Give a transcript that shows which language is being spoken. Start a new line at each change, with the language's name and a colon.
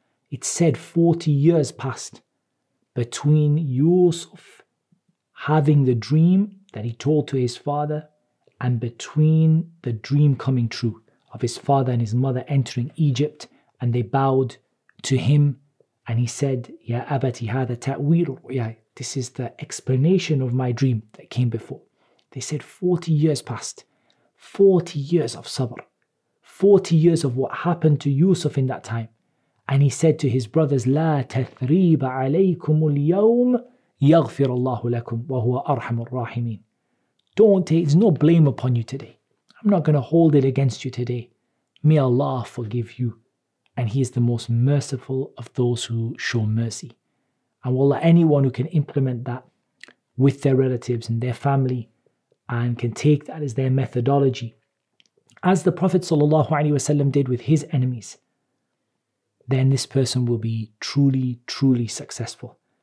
English: It said 40 years passed between Yusuf having the dream that he told to his father and between the dream coming true of his father and his mother entering Egypt, and they bowed to him and he said,
Arabic: Ya abati hadha ta'wil ru'yay,
English: this is the explanation of my dream that came before. They said 40 years passed, 40 years of sabr, 40 years of what happened to Yusuf in that time. And he said to his brothers,
Arabic: لا تثريب عليكم اليوم يغفر الله لكم وهو أرحم الراحمين.
English: Don't take, there's no blame upon you today. I'm not going to hold it against you today. May Allah forgive you. And he is the most merciful of those who show mercy. And wallah, anyone who can implement that with their relatives and their family and can take that as their methodology, as the Prophet ﷺ did with his enemies, then this person will be truly, truly successful.